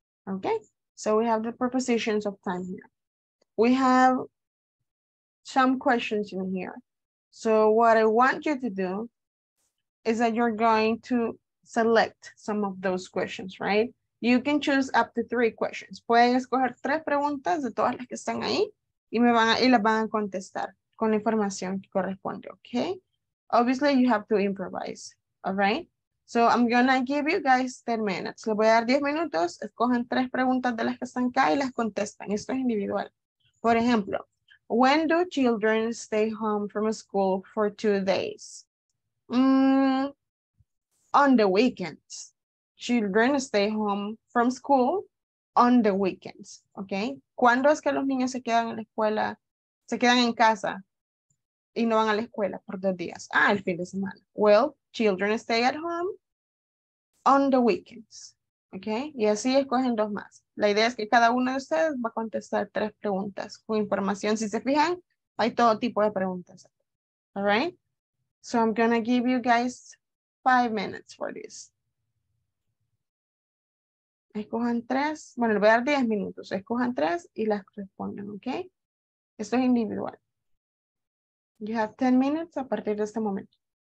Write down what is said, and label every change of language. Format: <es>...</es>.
<en>Okay, so we have the prepositions of time here. We have some questions in here. So what I want you to do is that you're going to select some of those questions, right? You can choose up to 3 questions.</en> <es>Pueden escoger 3 preguntas de todas las que están ahí y las van a contestar con la información que corresponde, okay?</es> <en>Obviously, you have to improvise, all right? So I'm gonna give you guys 10 minutes.</en> <es>Les voy a dar 10 minutos, escogen 3 preguntas de las que están acá y las contestan. Esto es individual. Por ejemplo,</es> <en>when do children stay home from school for 2 days? On the weekends. Children stay home from school on the weekends, okay?</en> <es>¿Cuándo es que los niños se quedan en la escuela, se quedan en casa y no van a la escuela por 2 días? Ah, el fin de semana.</es> <en>Well, children stay at home on the weekends, okay?</en> <es>Y así escogen 2 más. La idea es que cada uno de ustedes va a contestar 3 preguntas con información. Si se fijan, hay todo tipo de preguntas.</es> <en>All right? So I'm gonna give you guys 5 minutes for this.</en> <es>Escojan 3. Bueno, le voy a dar 10 minutos. Escojan 3 y las respondan, okay? Esto es individual.</es> <en>You have 10 minutes</en> <es>a partir de este momento.</es>